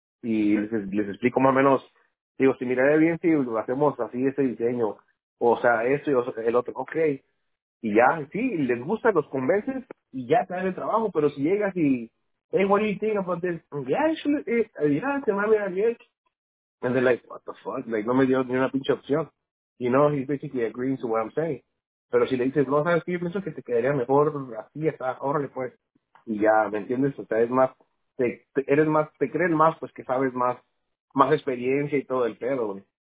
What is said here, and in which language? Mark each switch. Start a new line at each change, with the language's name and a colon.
Spanish: Y les explico más o menos, digo, si miraré bien, si lo hacemos así, ese diseño, o sea, esto y el otro, okay. Y ya, sí, les gusta, los convences, y ya te dan el trabajo, pero si llegas y,
English: hey, what do you think about this? Yeah, it should, yeah,
Spanish: se me va a mirar bien.
English: And they're like, what the fuck?
Spanish: Like, no me dio ni una pinche opción.
English: You know, he basically agrees to what I'm saying.
Spanish: Pero si le dices, no, sabes que yo pienso que te quedaría mejor así, está, órale pues. Y ya, ¿me entiendes? O sea, es más, te creen más, pues que sabes más, más experiencia y todo el pedo, güey.